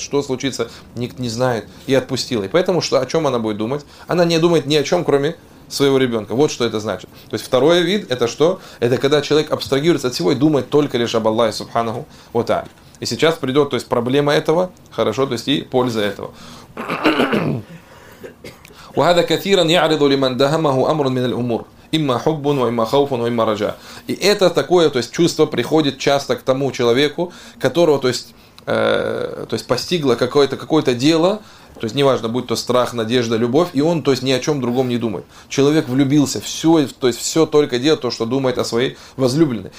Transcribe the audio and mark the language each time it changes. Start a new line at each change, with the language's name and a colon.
Russian: Что случится, никто не знает. И отпустила. И поэтому что, о чем она будет думать? Она не думает ни о чем, кроме своего ребенка. Вот что это значит. То есть второй вид, это что? Это когда человек абстрагируется от всего и думает только лишь об Аллахе, субханаху ва тааля. И сейчас придет, то есть проблема этого, хорошо, то есть и польза этого.
Arabic: وهذا كثيرا يعرض لمن دهمه امر من الامور اما حب واما خوف واما رجاء.
Russian: И это такое, то есть чувство приходит часто к тому человеку, которого, то есть постигло какое-то дело, то есть неважно, будь то страх, надежда, любовь, и он, то есть ни о чём другом не думает. Человек влюбился, всё, то есть всё только делает то, что думает о своей возлюбленной.